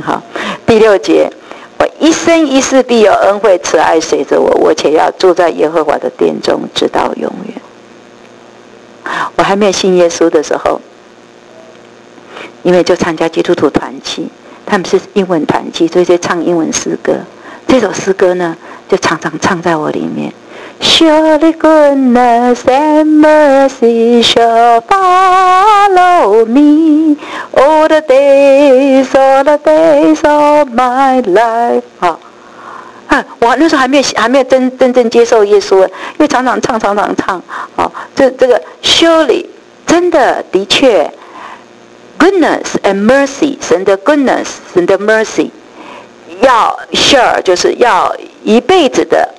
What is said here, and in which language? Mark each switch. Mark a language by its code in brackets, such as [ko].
[zh] 哈，第六节，我一生一世必有恩惠慈爱随着我，我且要住在耶和华的殿中直到永远。我还没有信耶稣的时候，因为就参加基督徒团契，他们是英文团契，所以就唱英文诗歌，这首诗歌呢就常常唱在我里面。 [en] Surely goodness and mercy shall follow me all the days, all the days of my life. [zh] 好，我那时候还没有真正接受耶稣，因为常常唱。好，这个 surely 真的的确 ，goodness and mercy 神的 goodness 神的 mercy 要 sure 就是要一辈子的。